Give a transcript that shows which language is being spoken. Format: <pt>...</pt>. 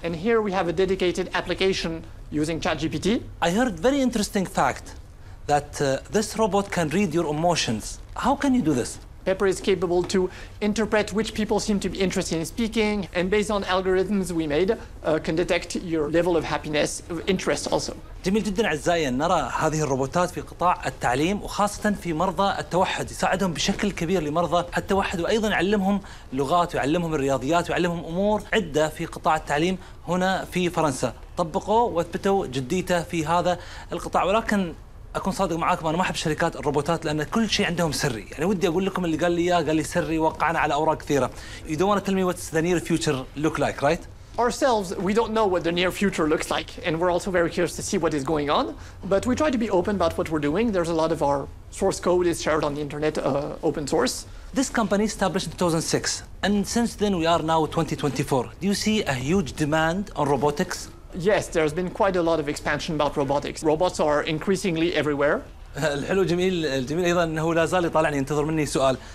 <en>And here we have a dedicated application using ChatGPT. I heard very interesting fact that this robot can read your emotions. How can you do this? Pepper is capable to interpret which people seem to be interested in speaking, and based on algorithms we made, can detect your level of happiness, of interest also.</en> <ar>جميل جدا اعزائي ان نرى هذه الروبوتات في قطاع التعليم وخاصه في مرضى التوحد يساعدهم بشكل كبير لمرضى التوحد وايضا يعلمهم لغات ويعلمهم الرياضيات ويعلمهم امور عده في قطاع التعليم هنا في فرنسا طبقوا واثبتوا جديته في هذا القطاع ولكن اكون صادق معاكم انا ما احب شركات الروبوتات لان كل شيء عندهم سري يعني ودي اقول لكم اللي قال لي اياه قال لي سري وقعنا على اوراق كثيره</ar> <en>you don't want to tell me what's the near future look like right Ourselves, we don't know what the near future looks like, and we're also very curious to see what is going on. But we try to be open about what we're doing. There's a lot of our source code is shared on the internet, open source. This company established in 2006, and since then we are now 2024. Do you see a huge demand on robotics? Yes, there's been quite a lot of expansion about robotics. Robots are increasingly everywhere.</en> <ar>الحلو جميل الجميل أيضا أنه لا زال يطالعني ينتظر مني سؤال.</ar>